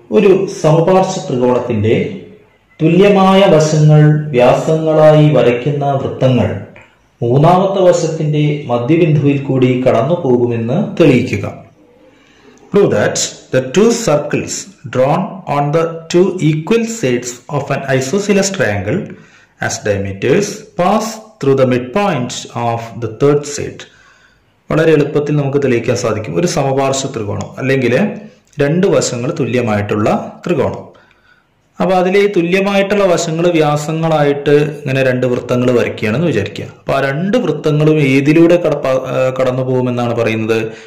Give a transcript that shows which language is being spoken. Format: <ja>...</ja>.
<ml>ഒരു സമപാർശ്വ ത്രികോണത്തിന്റെ തുല്യമായ വശങ്ങൾ വ്യാസങ്ങളായി വരയ്ക്കുന്ന വൃത്തങ്ങൾ മൂന്നാമത്തെ വശത്തിന്റെ മധ്യബിന്ദുവിൽ കൂടി കടന്നു പോകുമെന്ന് തെളിയിക്കുക.</ml> <en>Prove that the two circles drawn on the two equal sides of an isosceles triangle as diameters pass through the midpoint of the third side.</en> <ml>വളരെ എളുപ്പത്തിൽ നമുക്ക് തെളിയിക്കാൻ സാധിക്കും. ഒരു സമപാർശ്വ ത്രികോണം അല്ലെങ്കിൽ രണ്ട് വശങ്ങൾ തുല്യമായിട്ടുള്ള ത്രികോണം. അപ്പൊ അതിലെ ഈ തുല്യമായിട്ടുള്ള വശങ്ങൾ വ്യാസങ്ങളായിട്ട് ഇങ്ങനെ രണ്ട് വൃത്തങ്ങൾ വരയ്ക്കുകയാണെന്ന് വിചാരിക്കുക. അപ്പൊ ആ രണ്ട് വൃത്തങ്ങളും ഏതിലൂടെ കടന്നു പോകുമെന്നാണ് പറയുന്നത്?</ml>